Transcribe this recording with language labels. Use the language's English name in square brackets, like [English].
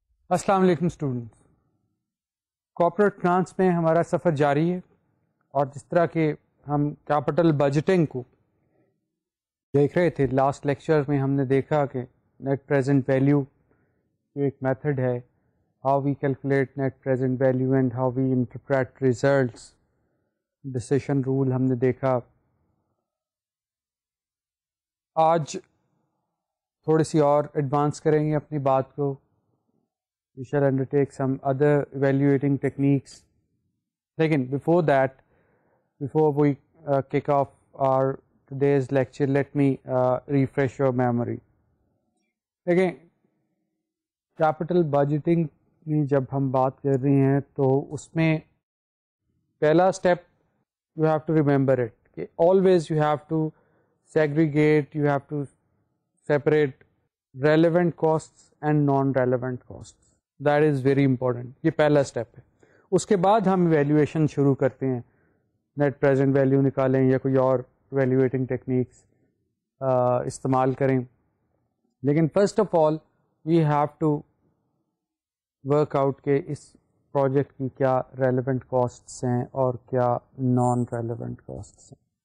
[Urdu] السلام علیکم students, corporate finance میں ہمارا سفر جاری ہے اور جس طرح کے ہم کیپٹل بجٹنگ کو دیکھ رہے تھے لاسٹ لیکچر میں، ہم نے دیکھا کہ نیٹ پریزنٹ ویلیو جو ایک میتھڈ ہے، [English] how we calculate net present value and how we interpret results, [Urdu] ڈسیشن role ہم نے دیکھا. آج تھوڑی سی اور ایڈوانس کریں گے اپنی بات کو. [English] We shall undertake some other evaluating techniques. Again, before that, before we kick off our today's lecture, let me refresh your memory. Again, capital budgeting [Urdu] mein jab hum baat kar rahe hain to usme pehla [English] step, you have to remember it, ke always you have to segregate, you have to separate relevant costs and non-relevant costs. That is very important. [Urdu] یہ پہلا step ہے. اس کے بعد ہم evaluation شروع کرتے ہیں، net present value نکالیں یا کوئی اور ایویلیویٹنگ ٹیکنیکس استعمال کریں. لیکن [English] first of all we have to work out [Urdu] کہ اس پروجیکٹ کی کیا ریلیونٹ کاسٹس ہیں اور کیا نان ریلیونٹ کاسٹس ہیں.